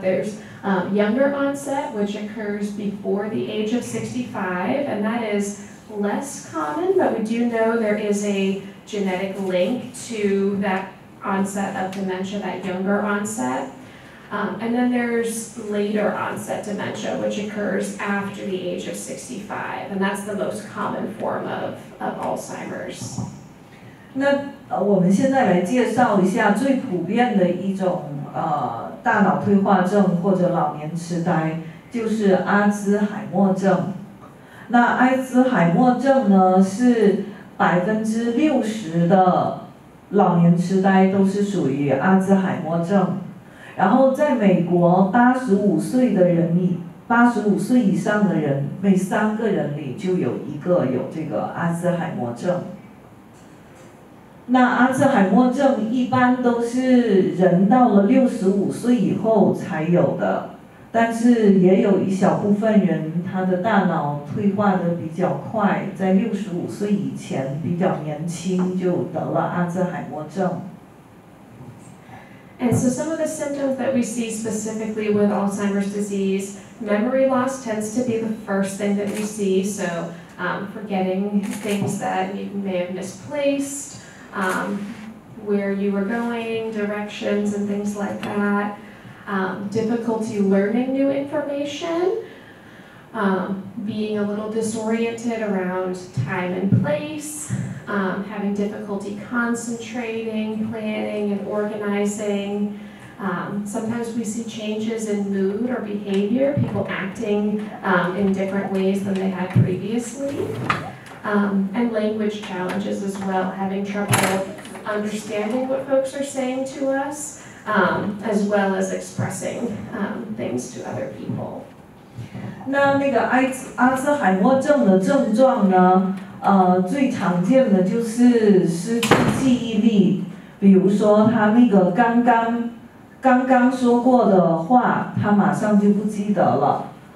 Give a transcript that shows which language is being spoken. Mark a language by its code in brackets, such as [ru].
[en] There's younger onset, which occurs before the age of 65, and that is less common, but we do know there is a genetic link to that onset of dementia, that younger onset. And then there's later onset dementia, which occurs after the age of 65, and that's the most common form of Alzheimer's. [zh] 那我们现在来介绍一下最普遍的一种大脑退化症或者老年痴呆，就是阿兹海默症。那阿兹海默症呢，是60%的老年痴呆都是属于阿兹海默症。然后在美国，85岁以上的人，每三个人里就有一个有这个阿兹海默症。那阿兹海默症一般都是人到了65岁以后才有的，但是也有一小部分人他的大脑退化的比较快，在65岁以前比较年轻就得了阿兹海默症。 [en] And so some of the symptoms that we see specifically with Alzheimer's disease, memory loss tends to be the first thing that we see. So, forgetting things that you may have misplaced. Where you were going, directions and things like that, difficulty learning new information, being a little disoriented around time and place, having difficulty concentrating, planning and organizing. Sometimes we see changes in mood or behavior, people acting in different ways than they had previously. And language challenges as well, having trouble understanding what folks are saying to us, as well as expressing things to other people. [zh] 那个阿兹海默症的症状呢？最常见的就是失去记忆力，比如说他那个刚刚说过的话，他马上就不记得了。